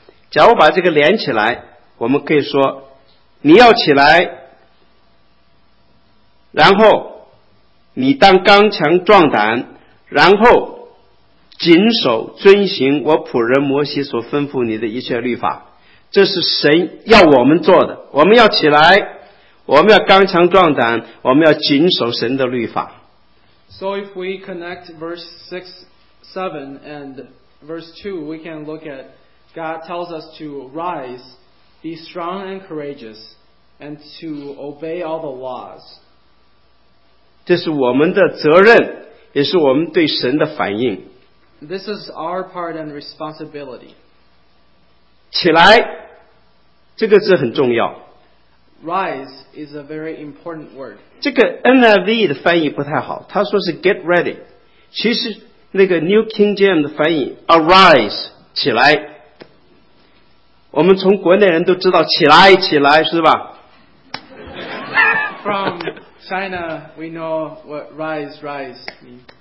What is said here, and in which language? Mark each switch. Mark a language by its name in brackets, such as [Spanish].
[Chinese] 假如把这个连起来，我们可以说你要起来，然后你当刚强壮胆，然后谨守遵行我仆人摩西所吩咐你的一切律法。这是神要我们做的，我们要起来，我们要刚强壮胆，我们要谨守神的律法。 [English] So if we connect verse 6-7 and verse 2, we can look at God tells us to rise, be strong and courageous, and to obey all the laws. [Chinese] 这是我们的责任，也是我们对神的反应。 [English] This is our part and responsibility. [Chinese] 起来，这个字很重要。 [English] Rise is a very important word. [Chinese] 这个 NIV 的翻译不太好，他说是 [English] get ready。 [Chinese] 其实那个 New King James 的翻译 arise 起来。我们从国内人都知道起来起来是吧 [English] ？From China, we know what rise rise means.